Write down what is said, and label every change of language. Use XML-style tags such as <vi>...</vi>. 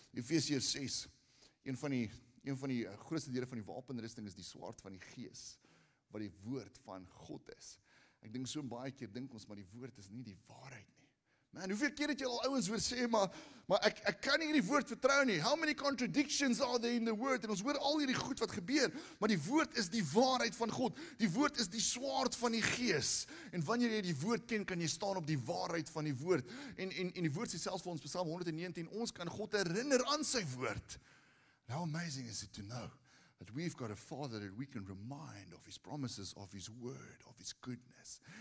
<af>Efesiërs 6, een van die grootste dele van die wapenrusting is die swaard van die gees, wat die woord van God is. Ek dink so baie keer, dink ons, maar die woord is nie die waarheid nie. Man, hoeveel keer het jy al ouwens weer sê, maar ek kan nie die woord vertrou nie.</af> <en>How many contradictions are there in the word?</en> <af>En ons hoor al hierdie goed wat gebeur, maar die woord is die waarheid van God. Die woord is die swaard van die gees. En wanneer jy die woord ken, kan jy staan op die waarheid van die woord. En die woord sê selfs vir ons, Psalm 119, ons kan God herinner aan sy woord.</af> <en>How amazing is it to know that we've got a father that we can remind of his promises, of his word, of his goodness.</en>